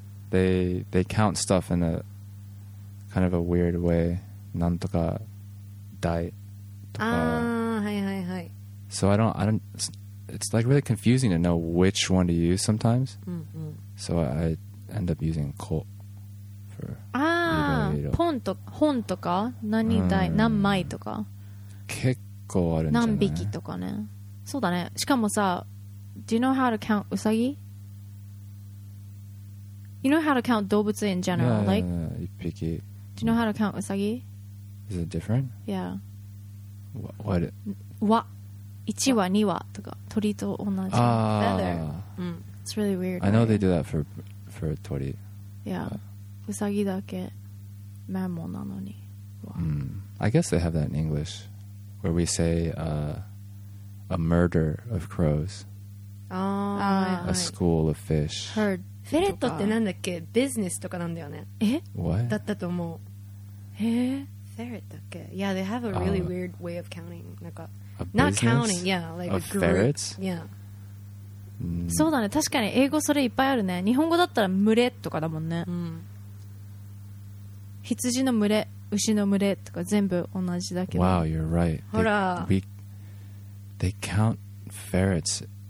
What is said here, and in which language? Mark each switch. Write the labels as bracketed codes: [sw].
[en] They count stuff in a kind of a weird way. [ja] なんとか dai とか。 Ah, はいはいはい。 [en] So I don't. It's like really confusing to know which one to use sometimes. So I end up using ko. [ja] ああ、本とか何台、うん、何枚とか結構あるんじゃない、何匹とかね。そうだね。しかもさ、 [en] Do you know how to count [ja] ウサギ？ [en] You know how to count 動物 in general? Yeah, like, yeah, yeah, [ja] 一匹。 [en] Do you know how to count ウサギ？ Is it different? Yeah. What? [ja] 1羽2羽とか鳥と同じ、 [en] feather. It's really weird. I know they do that for 鳥。 Yeah. [ja] ウサギだけマンモなのに、 [en] I guess they have that in English where we say a murder of crows. A school of fish. Herd. [ja] フェレットってなんだっけ、ビジネスとかなんだよね。え、 [en] What? [ja] だったと思う。へえ、フェレットだっけ。 [en] Yeah, they have a really weird way of counting. [ja] なんか、 [en] a business? Not counting, yeah, like of a group. Of ferrets? Yeah. [ja] そうだね、確かに英語それいっぱいあるね。日本語だったら群れとかだもんね。羊の群れ、牛の群れとか全部同じだけど。 [en] Wow, you're right. [ja] ほら。 [en] They count ferrets.